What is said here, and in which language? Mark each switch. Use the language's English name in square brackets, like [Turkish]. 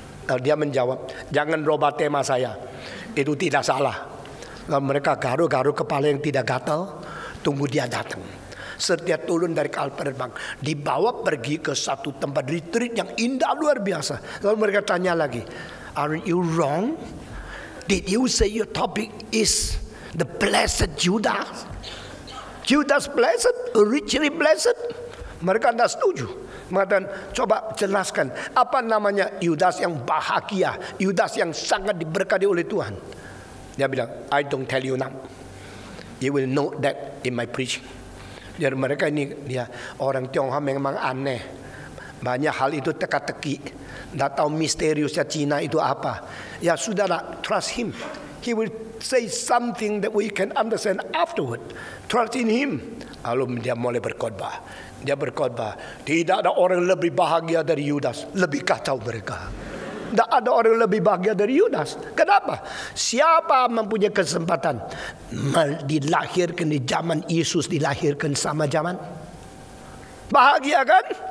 [Indonesian] Lalu dia menjawab, jangan roba tema saya. Itu tidak salah. Lalu mereka garu-garu kepala yang tidak gatal, tunggu dia datang. Setiap turun dari kapal penerbang, dibawa pergi ke satu tempat retreat yang indah luar biasa. Lalu mereka tanya lagi, [English] are you wrong? Did you say your topic is the blessed Judas? Judas blessed, richly blessed? [Indonesian] Mereka tidak setuju. Mengatakan, coba jelaskan apa namanya Judas yang bahagia, Judas yang sangat diberkati oleh Tuhan. Dia bilang, [English] I don't tell you now. You will know that in my preaching. [Indonesian] Jadi mereka ini, dia orang Tionghoa memang aneh. Banyak hal itu teka-teki. Tidak tahu misteriusnya Cina itu apa. Ya sudahlah, [English] trust him. He will say something that we can understand afterward. Trust in him. [Indonesian] Lalu dia mulai berkhotbah. Dia berkhotbah, tidak ada orang lebih bahagia dari Yudas. Lebih kacau mereka. Tidak ada orang lebih bahagia dari Yudas. Kenapa? Siapa mempunyai kesempatan dilahirkan di zaman Yesus, dilahirkan sama zaman? Bahagia kan?